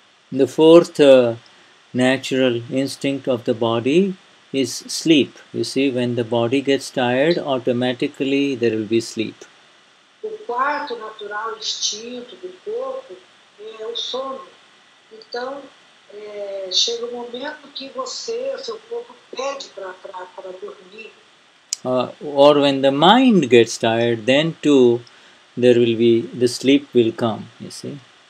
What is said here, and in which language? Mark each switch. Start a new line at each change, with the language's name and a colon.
English: And the fourth natural instinct of the body is sleep. You see, when the body gets tired, automatically there will be sleep.
Portuguese: O quarto natural instinto do corpo é o sono. Então, chega o momento que você, o seu corpo, pede para dormir.
English: Or when the mind gets tired, then too, the sleep will come, you see.